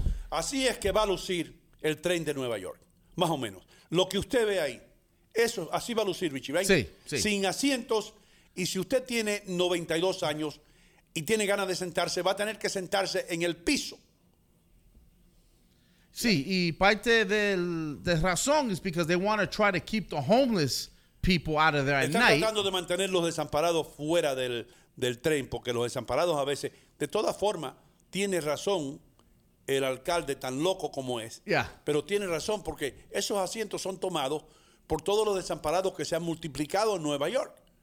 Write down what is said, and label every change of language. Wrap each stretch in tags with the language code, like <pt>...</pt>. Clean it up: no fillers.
<es>Así es que va a lucir el tren de Nueva York, más o menos. Lo que usted ve ahí, eso así va a lucir, Richie, ¿verdad? Sí, sí. Sin asientos, y si usted tiene 92 años y tiene ganas de sentarse, va a tener que sentarse en el piso. Sí, y parte de razón es</es> <en>because they want to try to keep the homeless people out of there at night.</en> <es>Están tratando de mantener los desamparados fuera del tren, porque los desamparados a veces, de todas formas, tiene razón el alcalde tan loco como es.</es> <en>Yeah.</en> <es>Pero tiene razón porque esos asientos son tomados por todos los desamparados que se han multiplicado en Nueva York.</es>